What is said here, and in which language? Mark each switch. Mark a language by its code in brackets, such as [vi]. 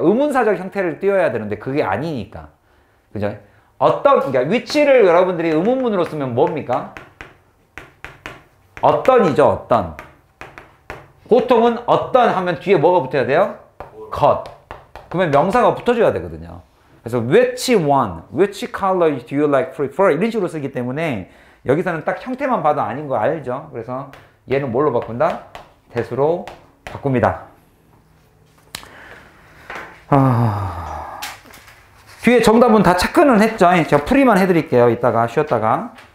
[ko] 의문사적 형태를 띄워야 되는데 그게 아니니까. 그죠? 그러니까 위치를 여러분들이 의문문으로 쓰면 뭡니까? 어떤이죠, 어떤. 보통은 어떤 하면 뒤에 뭐가 붙어야 돼요? 컷. 그러면 명사가 붙어줘야 되거든요. 그래서 [en] which one, which color do you like prefer? [ko] 이런 식으로 쓰기 때문에 여기서는 딱 형태만 봐도 아닌 거 알죠? 그래서 얘는 뭘로 바꾼다? 대수로 바꿉니다. 뒤에 정답은 다 체크는 했죠. 제가 풀이만 해드릴게요. 이따가 쉬었다가.